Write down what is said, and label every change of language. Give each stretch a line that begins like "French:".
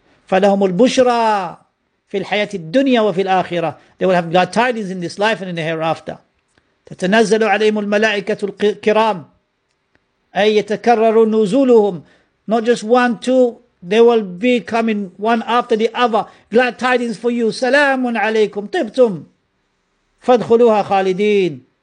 Arabic: فلهم البشرى في الحياة الدنيا وفي الآخرة.
English: They will have glad tidings in this life and in the hereafter.
Arabic: تتنزل عليهم الملائكة الكرام أي يتكرر نزولهم.
English: Not just one, two, they will be coming one after the other. Glad tidings for you.
Arabic: سلام عليكم طبتم فادخلوها خالدين.